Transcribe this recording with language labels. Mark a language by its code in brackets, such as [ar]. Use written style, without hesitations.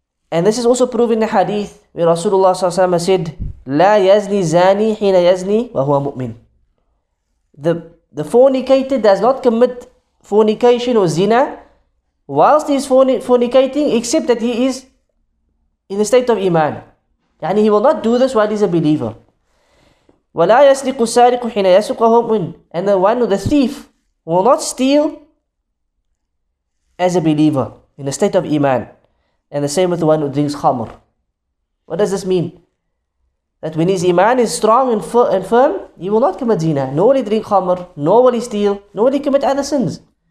[en] And this is also proven in the hadith where Rasulullah sallallahu alaihi wasallam said, [ar] لا يزني زاني حين يزني وهو مؤمن. [en] The fornicator does not commit fornication or zina whilst he is fornicating, except that he is in a state of iman. يعني he will not do this while he is a believer. [ar] ولا يسرق السارق حين يسرق وهو مؤمن. [en] And the one, the thief, will not steal as a believer, in a state of iman. And the same with the one who drinks khamr. What does this mean? That when his iman is strong and firm, he will not commit zina, nor will he drink khamr, nor will he steal, nor will he commit other sins.